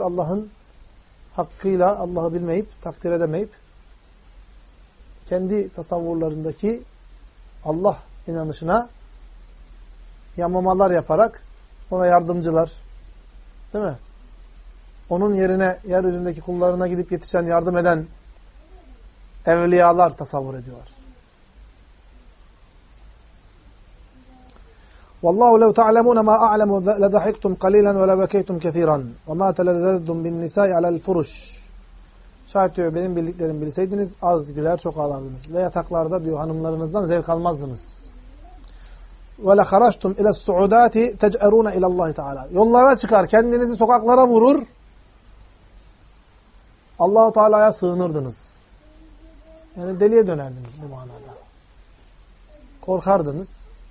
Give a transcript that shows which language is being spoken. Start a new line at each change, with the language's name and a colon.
Turkish: Allah'ın hakkıyla Allah'ı bilmeyip, takdir edemeyip kendi tasavvurlarındaki Allah inanışına yamamalar yaparak ona yardımcılar. Değil mi? Onun yerine yeryüzündeki kullarına gidip yetişen, yardım eden evliyalar tasavvur ediyorlar.
Arabic: وَاللّٰهُ لَوْ تَعْلَمُونَ مَا أَعْلَمُوا لَذَحِكْتُمْ قَلِيلًا وَلَبَكَيْتُمْ كَثِيرًا وَمَا تَلَذَذْتُمْ بِالنِّسَاءِ عَلَى الْفُرُشِ
Turkish: Şahit diyor, benim bildiklerimi bilseydiniz az güler çok ağlardınız. Ve yataklarda diyor hanımlarınızdan zevk almazdınız.
Arabic: وَلَخَرَشْتُمْ اِلَى السُّعُدَاتِ تَجْعَرُونَ اِلَى اللّٰهِ تَعَالَى
Turkish: Yollara çıkar, kendinizi sokaklara vurur, Allah-u Teala'ya sığınırdınız. Yani deliye dönerdiniz bu manada. Korkardınız.